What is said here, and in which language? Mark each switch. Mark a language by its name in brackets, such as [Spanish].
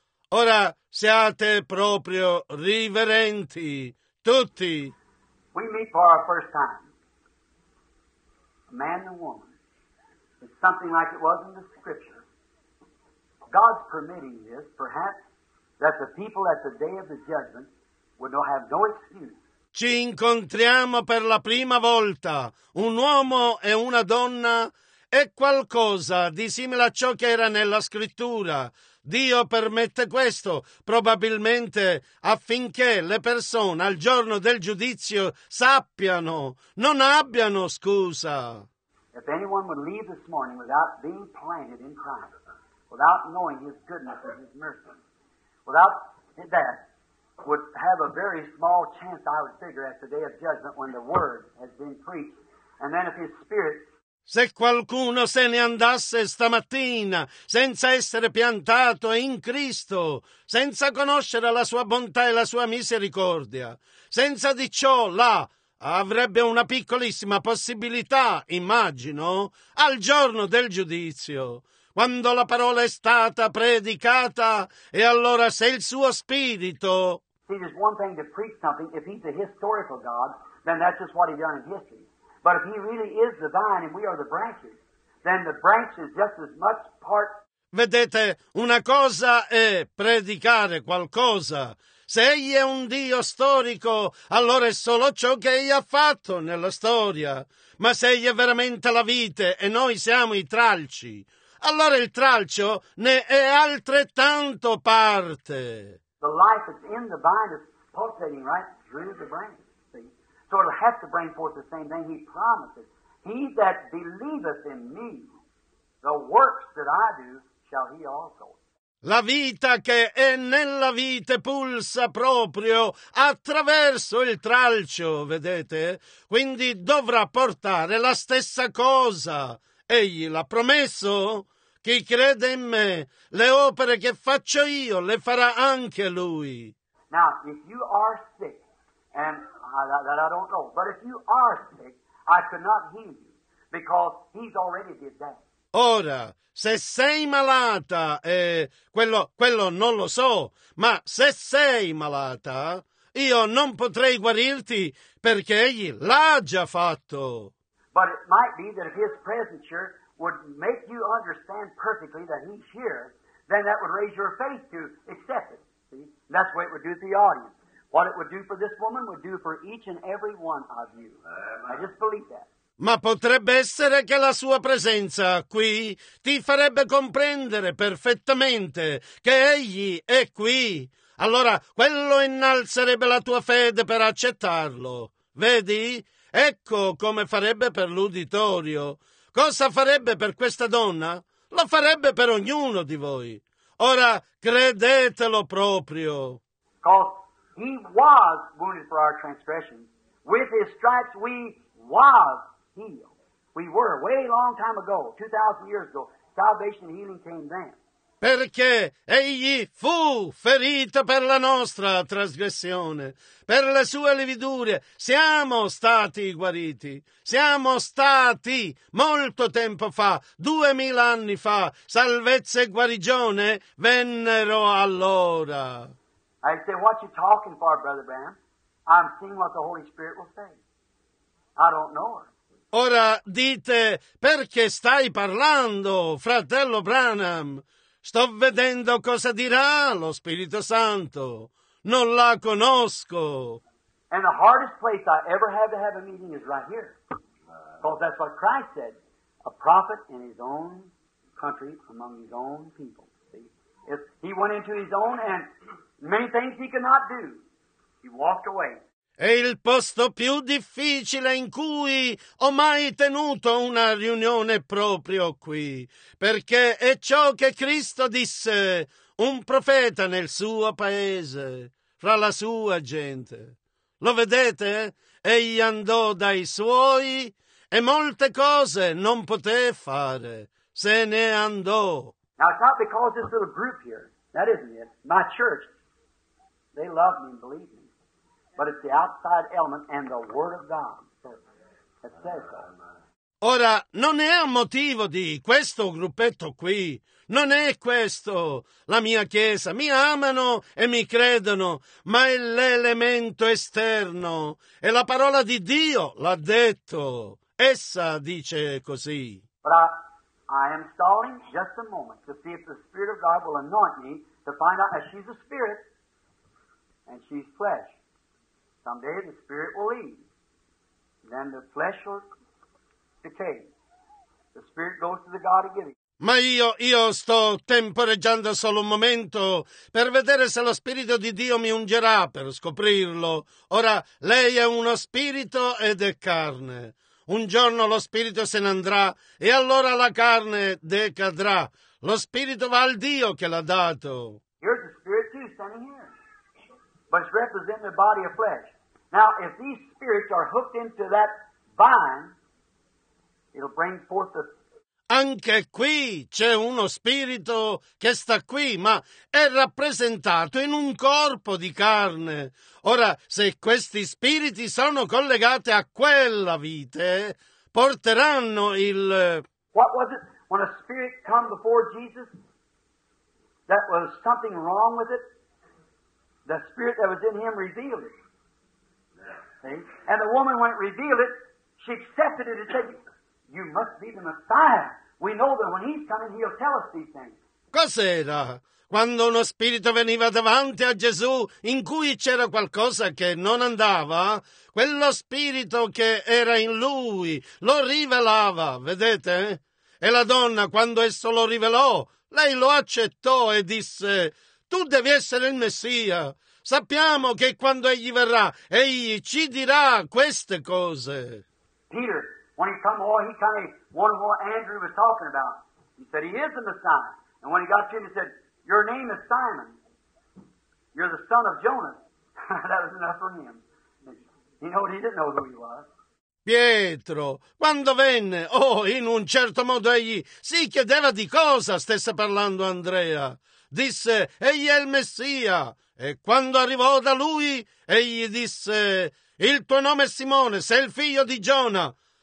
[Italian] Ora siate proprio riverenti, tutti. [English] We meet for our first time. A man and a woman. It's something like it was in the scripture. God's permitting this, perhaps, that the people at the day of the judgment would have no excuse. [Italian] Ci incontriamo per la prima volta, un uomo e una donna, è qualcosa di simile a ciò che era nella scrittura. Dio permette questo, probabilmente affinché le persone al giorno del giudizio sappiano, non abbiano scusa. [English] If anyone would leave this morning without being planted in Christ, without knowing his goodness and his mercy, without that, would have a very small chance, I would figure, at the day of judgment when the word has been preached, and then if his spirit. [Italian] Se qualcuno se ne andasse stamattina senza essere piantato in Cristo, senza conoscere la sua bontà e la sua misericordia, senza di ciò là avrebbe una piccolissima possibilità, immagino, al giorno del giudizio, quando la parola è stata predicata, e allora se il suo spirito. [English] See, there's one thing to preach something. If he's a historical God, then that's just what he's done in history. But if he really is the vine and we are the branches, then the branch is just as much part. [Italian] Vedete, una cosa è predicare qualcosa. Se egli è un Dio storico, allora è solo ciò che egli ha fatto nella storia. Ma se egli è veramente la vite e noi siamo i tralci, allora il tralcio ne è altrettanto parte. [English] The life that's in the vine is pulsating right through the branch. So it'll have to bring forth the same thing he promises. He that believeth in me, the works that I do, shall he also. [Italian] La vita che è nella vite pulsa proprio attraverso il tralcio, vedete? Quindi dovrà portare la stessa cosa. Egli l'ha promesso. Chi crede in me, le opere che faccio io le farà anche lui. [English] Now, if you are sick, and that I don't know, but if you are sick, I could not heal you, because he's already did that. [Italian] Ora, se sei malata, quello non lo so, ma se sei malata, io non potrei guarirti, perché egli l'ha già fatto. [English] But it might be that if his presence would make you understand perfectly that he's here, then that would raise your faith to accept it. See? That's what it would do to the audience. What it would do for this woman would do for each and every one of you. I just believe that. [Italian] Ma potrebbe essere che la sua presenza qui ti farebbe comprendere perfettamente che egli è qui. Allora quello innalzerebbe la tua fede per accettarlo. Vedi? Ecco come farebbe per l'uditorio. Cosa farebbe per questa donna? Lo farebbe per ognuno di voi. Ora credetelo proprio. [English] He was wounded for our transgressions. With his stripes we was healed. We were, way long time ago, 2,000 years ago, salvation and healing came then. [Italian] Perché egli fu ferito per la nostra trasgressione, per le sue lividure, siamo stati guariti, siamo stati molto tempo fa, 2,000 anni fa, salvezza e guarigione vennero allora. [English] I say, what you talking for, Brother Bram? I'm seeing what the Holy Spirit will say. I don't know her. [Italian] Ora dite, perché stai parlando, fratello Branham? Sto vedendo cosa dirà lo Spirito Santo. Non la conosco. [English] And the hardest place I ever had to have a meeting is right here. Because that's what Christ said. A prophet in his own country, among his own people. See? If he went into his own and many things he could not do, he walked away. [Italian] È il posto più difficile in cui ho mai tenuto una riunione proprio qui, perché è ciò che Cristo disse un profeta nel suo paese, fra la sua gente. Lo vedete? Egli andò dai suoi e molte cose non poté fare. Se ne andò. [English] Now it's not because this little group here, that isn't it, my church, they love me and believe me. But it's the outside element and the Word of God that says that. [Italian] Ora, non è a motivo di questo gruppetto qui, non è questo la mia chiesa, mi amano e mi credono, ma è l'elemento esterno, è la parola di Dio, l'ha detto, essa dice così. [English] But I am stalling just a moment to see if the Spirit of God will anoint me to find out that she's a spirit and she's flesh. Someday the Spirit will leave, then the flesh will decay. The Spirit goes to the God of giving. [Italian] Ma io sto temporeggiando solo un momento per vedere se lo Spirito di Dio mi ungerà, per scoprirlo. Ora, lei è uno spirito ed è carne. Un giorno lo Spirito se ne andrà e allora la carne decadrà. Lo Spirito va al Dio che l'ha dato. [English] Here's the Spirit too, standing here. But it's representing the body of flesh. Now, if these spirits are hooked into that vine, it'll bring forth [Italian] anche qui c'è uno spirito che sta qui, ma è rappresentato in un corpo di carne. Ora, se questi spiriti sono collegati a quella vite, porteranno il... [English] What was it when a spirit come before Jesus? That was something wrong with it? The spirit that was in him revealed it. See? And the woman, when it revealed it, she accepted it and said, "You must be the Messiah. We know that when he's coming, he'll tell us these things." [Italian] Cos'era? Quando uno spirito veniva davanti a Gesù, in cui c'era qualcosa che non andava, quello spirito che era in lui lo rivelava, vedete? E la donna, quando esso lo rivelò, lei lo accettò e disse, "Tu devi essere il Messia. Sappiamo che quando egli verrà, egli ci dirà queste cose." [English] Peter, when he come, he kind of wondered what Andrew was talking about. He said, "He is the Messiah." And when he got to him, he said, "Your name is Simon. You're the son of Jonas." That was enough for him. He knew, he didn't know who he was. [Italian] Pietro, quando venne, in un certo modo egli si chiedeva di cosa stesse parlando Andrea. Disse, "Egli è il Messia." E quando arrivò da lui, egli disse, "Il tuo nome è Simone, sei il figlio di Giona."